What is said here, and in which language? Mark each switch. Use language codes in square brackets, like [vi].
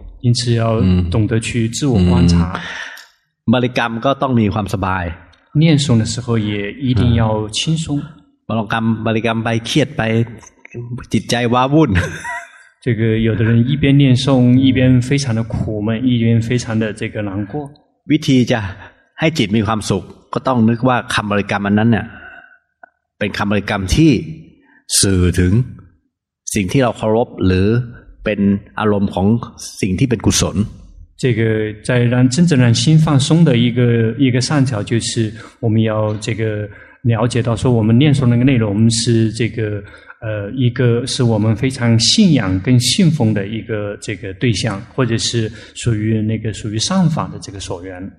[zh] 因此要懂得去自我观察 [th] บริกรรมก็ต้องมีความสบาย [zh] 念诵的时候也一定要轻松 [th] บริกรรมไปเครียดไปจิตใจว้าวุ่น [zh] 这个有的人一边念诵一边非常的苦闷一边非常的这个难过 [th] วิธีจะให้จิตมีความสุขก็ต้องนึกว่าคำบริกรรมอันนั้นเนี่ยเป็นคำบริกรรมที่สื่อถึงสิ่งที่เราเคารพหรือเป็นอารมณ์ของสิ่งที่เป็นกุศล [zh] 这个在让真正让心放松的一个上窍就是我们要这个了解到说我们念诵那个内容是这个一个是我们非常信仰跟信奉的一个这个对象或者是属于那个属于上法的这个所缘